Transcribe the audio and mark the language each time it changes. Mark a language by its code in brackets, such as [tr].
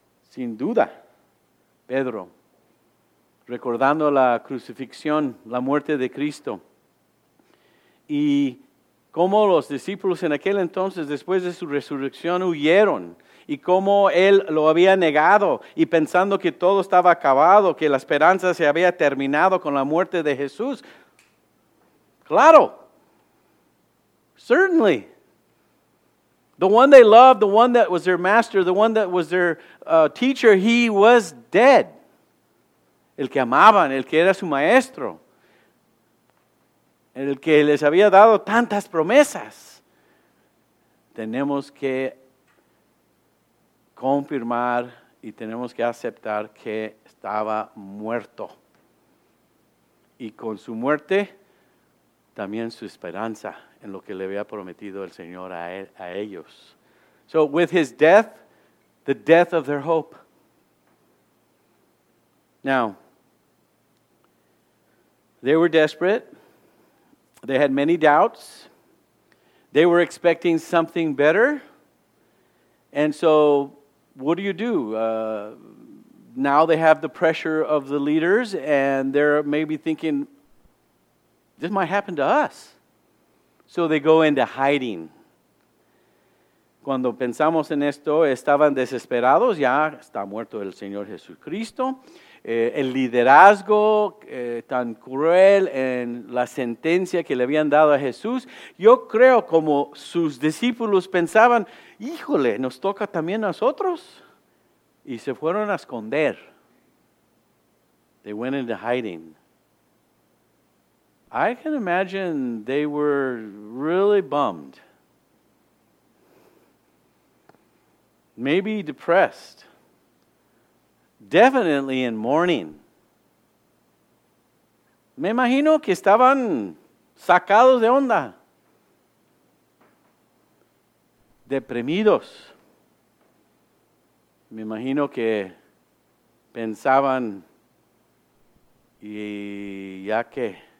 [es] Sin duda, Pedro, recordando la crucifixión, la muerte de Cristo, y cómo los discípulos en aquel entonces, después de su resurrección, huyeron. Y cómo él lo había negado y pensando que todo estaba acabado, que la esperanza se había terminado con la muerte de Jesús. Claro. [en] Certainly. The one they loved, the one that was their master, the one that was their teacher, he was dead. [es] El que amaban, el que era su maestro. El que les había dado tantas promesas. Tenemos que confirmar y tenemos que aceptar que estaba muerto. Y con su muerte, también su esperanza en lo que le había prometido el Señor a ellos. [en] So with his death, the death of their hope. Now, they were desperate. They had many doubts. They were expecting something better. And so, what do you do? Now they have the pressure of the leaders, and they're maybe thinking, this might happen to us. So they go into hiding. [es] Cuando pensamos en esto, estaban desesperados. Ya está muerto el Señor Jesucristo. El liderazgo tan cruel en la sentencia que le habían dado a Jesús. Yo creo como sus discípulos pensaban, híjole, nos toca también a nosotros. Y se fueron a esconder. [en] They went into hiding. I can imagine they were really bummed. Maybe depressed. Definitely in mourning. [es] Me imagino que estaban sacados de onda. Deprimidos. Me imagino que pensaban, ¿y ya qué?